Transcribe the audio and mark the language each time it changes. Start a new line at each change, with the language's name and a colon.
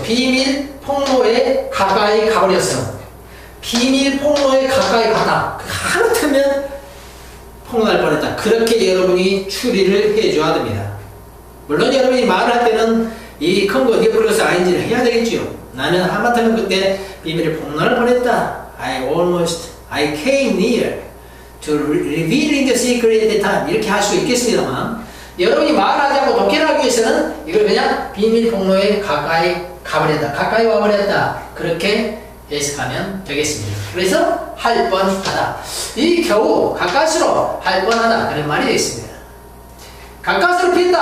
Korean: 비밀 폭로에 가까이 가버렸어. 비밀 폭로에 가까이 가다. 하마터면 폭로할 뻔했다. 그렇게 여러분이 추리를 해줘야 됩니다. 물론 여러분이 말할 때는 이 come 거 near 플러스 ing를 해야 되겠지요. 나는 하마터면 그때 비밀을 폭로할 뻔했다.
English: I came near to revealing the secret at the time.
Korean: 이렇게 할 수 있겠습니다만 여러분이 말하자고 독해를 하기 위해서는 이걸 그냥 비밀 폭로에 가까이 가버렸다. 가까이 와버렸다. 그렇게 해석하면 되겠습니다. 그래서 할 뻔하다. 이 겨우 가까스로 할 뻔하다. 그런 말이 되겠습니다. 가까스로 핀다.